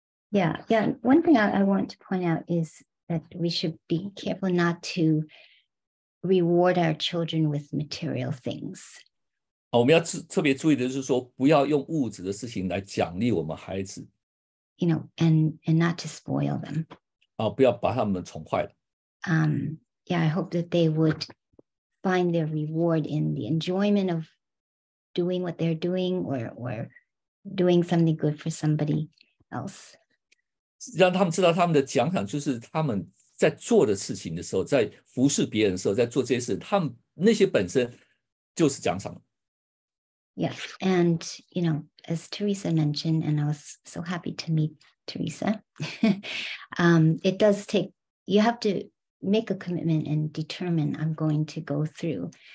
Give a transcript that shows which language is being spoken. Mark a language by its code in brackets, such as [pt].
[en] One thing I want to point out is that we should be careful not to reward our children with material things. [zh] 哦，我们要特别注意的就是说，不要用物质的事情来奖励我们孩子。 [en] You know, and not to spoil them. [zh] 哦，不要把他们宠坏了。 [en] I hope that they would find their reward in the enjoyment of doing what they're doing or doing something good for somebody else. [zh] 让他们知道他们的奖赏就是他们在做的事情的时候，在服侍别人的时候，在做这些事，他们那些本身就是奖赏。 [en] Yes, and you know, as Teresa mentioned, and I was so happy to meet Teresa, it does take, you have to make a commitment and determine I'm going to go through.